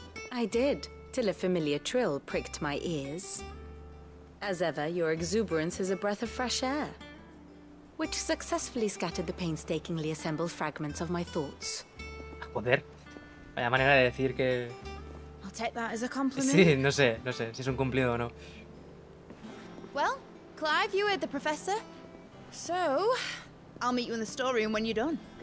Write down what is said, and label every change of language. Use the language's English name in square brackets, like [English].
[English] I did, till a familiar trill pricked my ears. As ever, your exuberance is a breath of fresh air, which successfully scattered the painstakingly assembled fragments of my thoughts. [Spanish] A poder. Vaya manera de decir que... [English] Take that as a compliment. [Spanish] Sí, no sé si es un cumplido o no. [English] Well, Clive, you heard the professor. So, I'll meet you in the storeroom when you're done.